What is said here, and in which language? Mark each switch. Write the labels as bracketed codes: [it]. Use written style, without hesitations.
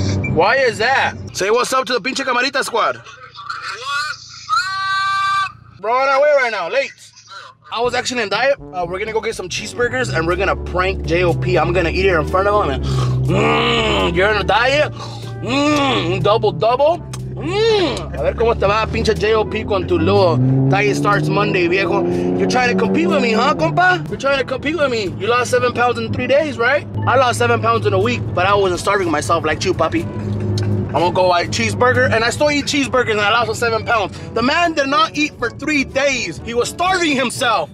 [en] why is that? Say what's up to the [es] pinche camarita [en] squad. What's up? Bro, on our way right now, late. I was actually in diet. We're gonna go get some cheeseburgers and we're gonna prank JOP. I'm gonna eat it in front of him. You're in a diet? Double. [es] A ver cómo te va, pinche JOP, con tu lo. [en] Diet starts Monday, viejo. You're trying to compete with me, huh, compa? You're trying to compete with me. You lost 7 pounds in 3 days, right? I lost 7 pounds in a week, but I wasn't starving myself like you, puppy. I'm gonna go buy a cheeseburger, and I still eat cheeseburgers, and I lost 7 pounds. The man did not eat for 3 days. He was starving himself.